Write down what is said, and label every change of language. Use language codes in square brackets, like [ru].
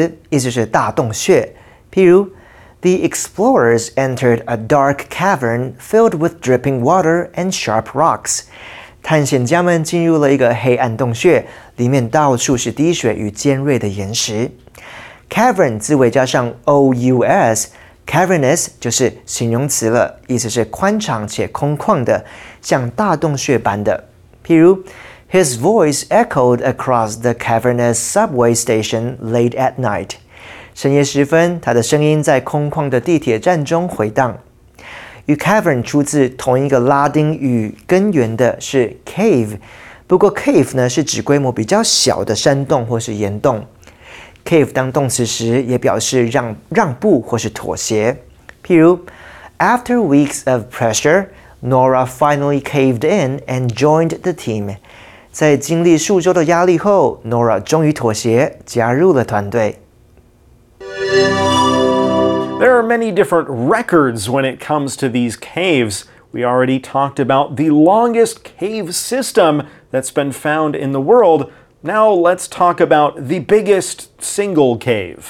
[en] The explorers entered a dark cavern filled with dripping water and sharp rocks. [zh] 探险家们进入了一个黑暗洞穴，里面到处是滴水与尖锐的岩石。 Cavern 字尾加上 ous, cavernous 就是形容词了，意思是宽敞且空旷的，像大洞穴般的。譬如 [en] His voice echoed across the cavernous subway station late at night. [zh] 深夜时分，他的声音在空旷的地铁站中回荡。与 cavern 出自同一个拉丁语根源的是 cave， 不过 cave 呢是指规模比较小的山洞或是岩洞。 Cave 当动词时也表示让步或是妥协。譬如 [en] ，After weeks of pressure, Nora finally caved in and joined the team. [zh] 在经历数周的压力后 ，Nora 终于妥协，加入了团队。 [en] There are many different records when it comes to these caves. We already talked about the longest cave system that's been found in the world. Now let's talk about the biggest single cave.